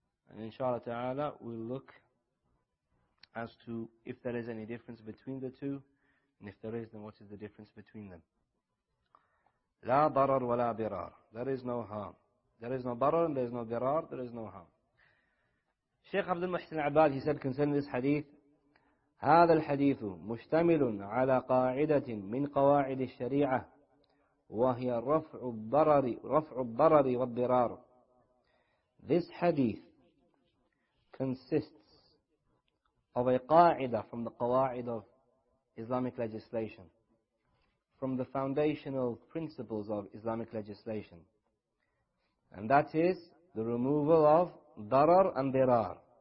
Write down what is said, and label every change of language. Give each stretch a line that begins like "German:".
English: And inshallah ta'ala, we'll look as to if there is any difference between the two, and if there is, then what is the difference between them.
Arabic: لا ضرر ولا ضرار.
English: There is no harm. There is no ضرر, there is no ضرار, there is no harm. Shaykh Abdul Muhsin Abad, he said concerning this hadith,
Arabic: هذا الحديث مشتمل على قاعدة من قواعد الشريعة وهي رفع الضرر والضرار.
English: This hadith consists of a qa'ida from the qawa'id of Islamic legislation, from the foundational principles of Islamic legislation, and that is the removal of darar and dirar.